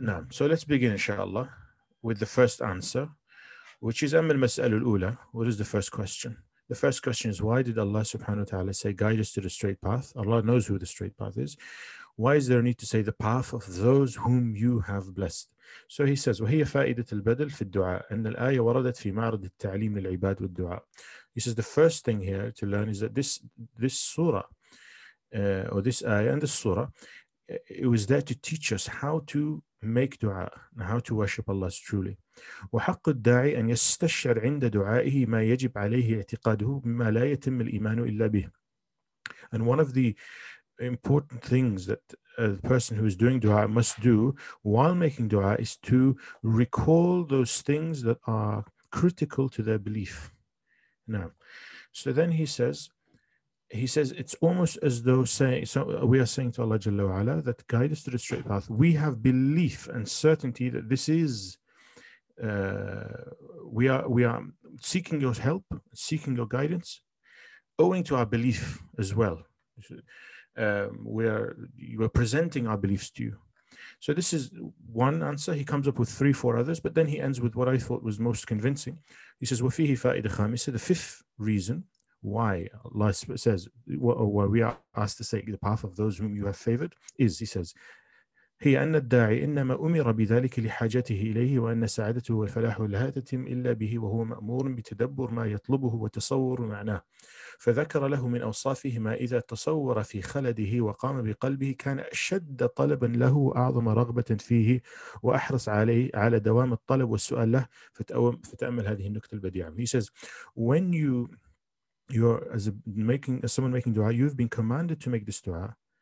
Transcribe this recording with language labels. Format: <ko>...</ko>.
<en>So let's begin, inshallah, with the first answer, which is</en> <ar>أَمَّ الْمَسْأَلُ الْأُولَى.</ar> <en>What is the first question? The first question is, why did Allah subhanahu wa ta'ala say, guide us to the straight path? Allah knows who the straight path is. Why is there a need to say the path of those whom you have blessed? So he says,</en> <ar>وَهِيَ فَائِدَةَ الْبَدَلْ فِي الدُّعَاءِ أَنَّ الْآيَ وَرَدَتْ فِي مَعْرَضِ التَّعْلِيمِ لِلْعِبَادِ وَالدُّعَاءِ.</ar> <en>He says the first thing here to learn is that this surah or this ayah and the surah, it was there to teach us how to make dua and how to worship Allah truly.</en> <ar>وحق الداعي أن يستشعر عند دعائه ما يجب عليه اعتقاده بما لا يتم الإيمان إلا به.</ar> <en>And one of the important things that the person who is doing dua must do while making dua is to recall those things that are critical to their belief. Now, so then he says, it's almost as though saying, so we are saying to Allah Jalla wa'ala that guide us to the straight path. We have belief and certainty that this is, we are seeking your help, seeking your guidance, owing to our belief as well. You are presenting our beliefs to you. So this is one answer. He comes up with three, four others, but then he ends with what I thought was most convincing. He says,</en> <ar>وَفِيهِ فَائِدَ خَامِسَ.</ar> <en>The fifth reason why Allah says, why we are asked to say the path of those whom you have favored is, he says,</en> <ar>هِيَ أَنَّ الدَّاعِ إِنَّمَا أُمِرَ بِذَلِكَ لِحَاجَتِهِ إِلَيْهِ وَأَنَّ سَعَدَتُهُ وَالْفَلَاحُ لَا تَتِمْ إِلَّا بِهِ وَهُوَ مَأْمُورٌ بِتَدَبُّرْ مَا يَطْلُبُهُ وَتَصَوُّرُ مَعْنَاهُ فذكر له من أوصافه ما إذا تصور في خلده وقام بقلبه كان أشد طلبا له وأعظم رغبة فيه وأحرص عليه على دوام الطلب والسؤال له فتأمل هذه النكتة البديعة.</ar> <en>He says, when you're making dua, you've been commanded to make this dua</en>